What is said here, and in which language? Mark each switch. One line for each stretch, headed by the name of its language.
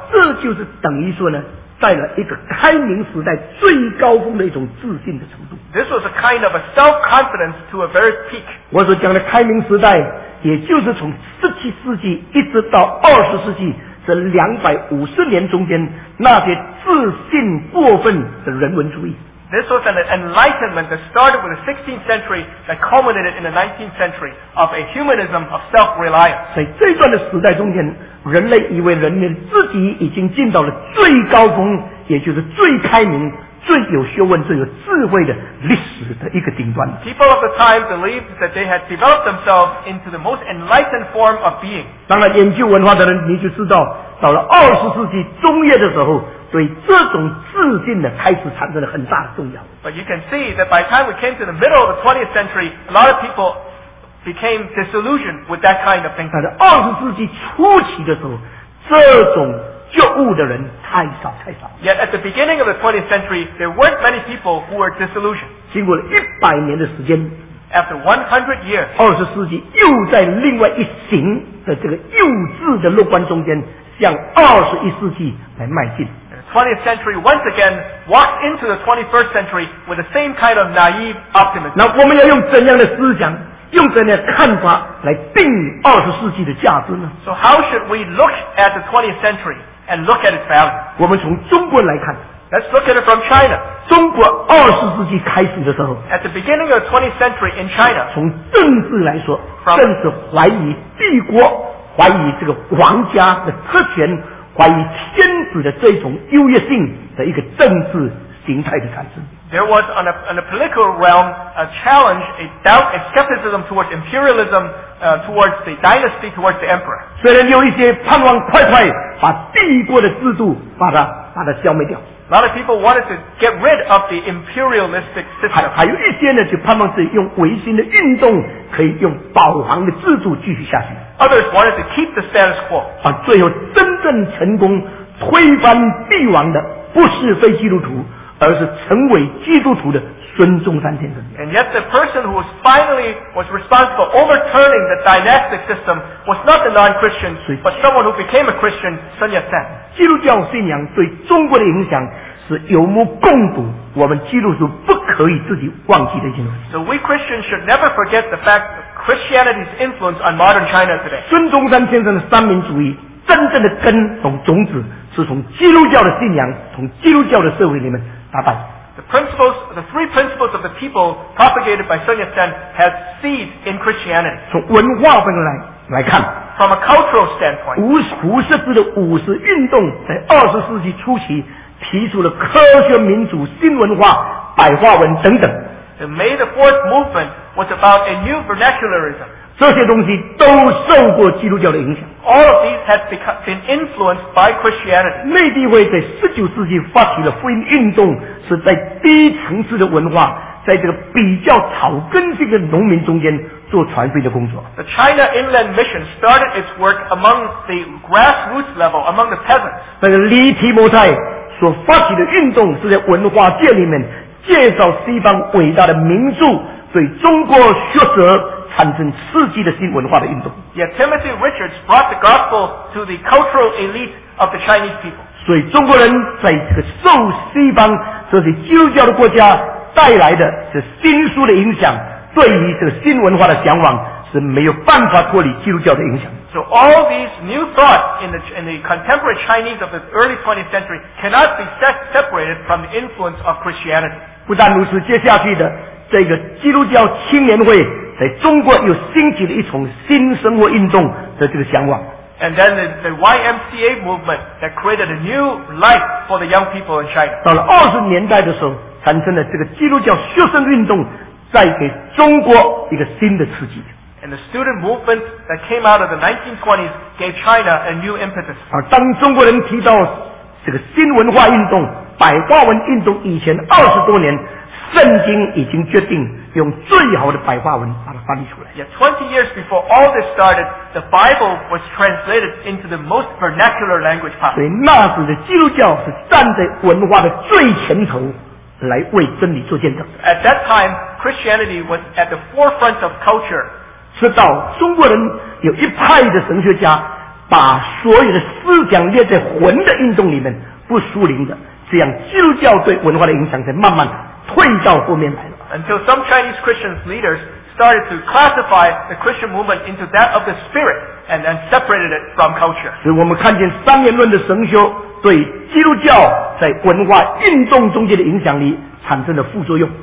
Chinese: 这就是等于说呢，带了一个开明时代最高峰的一种自信的程度。
English: This was a kind of a self-confidence to a very peak.
Chinese: 我所讲的开明时代。也就是从十七世纪一直到二十世纪这两百五十年中间那些自信过分的人文主义。
English: This was an enlightenment that started with the 16th century that culminated in the 19th century of a humanism of self-reliance.
Chinese: 在这段的时代中间，人类以为人类自己已经进到了最高峰，也就是最开明、最有学问、最有智慧的历史的一个顶端。
English: People of the time believed that they had developed themselves into the most enlightened form of being.
Chinese: 当然，研究文化的人你就知道，到了二十世纪中叶的时候。所以这种自信的开始产生了很大的重要。
English: But you can see that by the time we came to the middle of the 20th century, a lot of people became disillusioned with that kind of thinking.
Chinese: 但是20世纪初期的时候，这种觉悟的人太少太少。
English: Yet at the beginning of the 20th century, there weren't many people who were disillusioned.
Chinese: 经过了100年的时间，
English: After 100 years,
Chinese: 20世纪又在另外一行的这个幼稚的乐观中间向21世纪来迈进。
English: 20th century once again walked into the 21st century with the same kind of naive optimism.
Chinese: 那我们要用怎样的思想，用怎样的看法来定20世纪的价值呢？
English: So how should we look at the 20th century and look at its value?
Chinese: 我们从中国来看。
English: Let's look at it from China.
Chinese: 中国20世纪开始的时候。
English: At the beginning of the 20th century in China.
Chinese: 从政治来说，政治怀疑帝国，怀疑这个皇家的特权，怀疑天子的这种优越性的一个政治形态的产生。
English: There was on a political realm a challenge, a doubt, a skepticism towards imperialism, towards the dynasty, towards the emperor.
Chinese: 虽然有一些盼望快快把帝国的制度把它消灭掉。
English: A lot of people wanted to get rid of the imperialistic system.
Chinese: 还有一些呢，就盼望是用维新的运动可以用保皇的制度继续下去。
English: Others wanted to keep the status quo.
Chinese: 把最后真正成功推翻帝王的不是非基督徒，而是成为基督徒的孙中山先生。
English: And yet the person who was finally was responsible for overturning the dynastic system was not a non-Christian, but someone who became a Christian, Sun Yat-sen.
Chinese: 基督教信仰对中国的影响是有目共睹，我们基督徒不可以自己忘记的一件事。
English: So we Christians should never forget the fact of Christianity's influence on modern China today.
Chinese: 孙中山先生的三民主义真正的根和种子是从基督教的信仰，从基督教的社会里面打败。
English: The three principles of the people propagated by Sun Yat-sen has seeds in Christianity.
Chinese: 从文化方面来看，
English: from a cultural standpoint,
Chinese: 胡适之的五四运动在二十世纪初期提出了科学民主、新文化、白话文等等。
English: The May the Fourth movement was about a new vernacularism.
Chinese: 这些东西都受过基督教的影响。
English: All of these had been influenced by Christianity.
Chinese: 内地会在十九世纪发起了福音运动。是在低层次的文化，在这个比较草根性的农民中间做传福音的工作。
English: The China Inland Mission started its work among the grassroots level, among the peasants.
Chinese: 那个黎提摩太所发起的运动是在文化界里面介绍西方伟大的名著，对中国学者产生刺激的新文化的运动。
English: Yet Timothy Richards brought the gospel to the cultural elite of the Chinese people.
Chinese: 所以中国人在这个受西方这是基督教的国家带来的是新书的影响，对于这个新文化的向往是没有办法脱离基督教的影响。
English: So all these new thoughts in the contemporary Chinese of the early 20th century cannot be separated from the influence of Christianity.
Chinese: 不但如此，接下去的这个基督教青年会在中国又兴起了一种新生活运动的这个向往。
English: And then the YMCA movement that created a new life for the young people in China.
Chinese: 到了二十年代的时候，产生了这个基督教学生运动，再给中国一个新的刺激。
English: And the student movement that came out of the 1920s gave China a new impetus.
Chinese: 而当中国人提到这个新文化运动、百花文运动以前二十多年，圣经已经决定用最好的白话文把它翻译出来。
English: Yet 20 years before all this started, the Bible was translated into the most vernacular language possible.
Chinese: 所以那时的基督教是站在文化的最前头来为真理做见证。
English: At that time, Christianity was at the forefront of culture.
Chinese: 直到中国人有一派的神学家把所有的思想列在魂的运动里面，不属灵的，这样基督教对文化的影响才慢慢退到后面来了。
English: Until some Chinese Christians leaders started to classify the Christian movement into that of the spirit and then separated it from culture.
Chinese: 所以我们看见三元论的神学对基督教在文化运动中间的影响力产生了副作用。